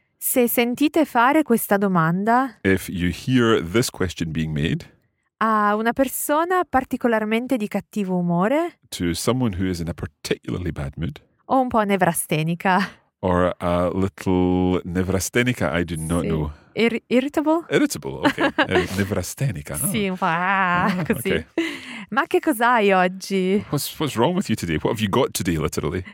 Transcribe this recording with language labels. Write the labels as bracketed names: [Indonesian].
[Italian] Se sentite fare questa domanda. [English] If you hear this question being made. [Italian] A una persona particolarmente di cattivo umore. [English] To someone who is in a particularly bad mood. [Italian] O un po' nevrastenica. [English] Or a little nevrastenica, I do not [Italian] sì. [English] know. Irritable? Irritable, ok. Nevrastenica. [Italian] Sì, un po' così. Okay. Ma che cos'hai oggi? [English] What's wrong with you today? What have you got today, literally?